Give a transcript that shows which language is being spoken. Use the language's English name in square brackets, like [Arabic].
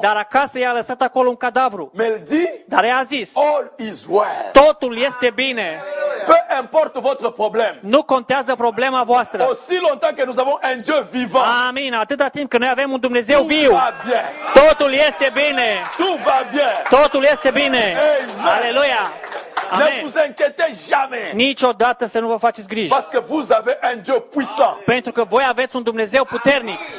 [Romanian] Dar acasă i-a lăsat acolo un cadavru. [French] Mais elle dit, [Romanian] dar ea a zis, [English] all is well. [Romanian] Totul este bine. [French] Peu importe votre problème. [Romanian] Nu contează problema voastră. [French] Aussi longtemps que nous avons un Dieu vivant. [Romanian] Amin. Atâta timp că noi avem un Dumnezeu [French] tout [Romanian] viu. Totul este bine. [French] Tout va bien. [Romanian] Totul este bine. Amen. Aleluia. [French] Ne vous inquiétez jamais. [Romanian] Niciodată să nu vă faceți griji. [French] Parce que vous avez un Dieu puissant. [Romanian] Pentru că voi aveți un Dumnezeu puternic.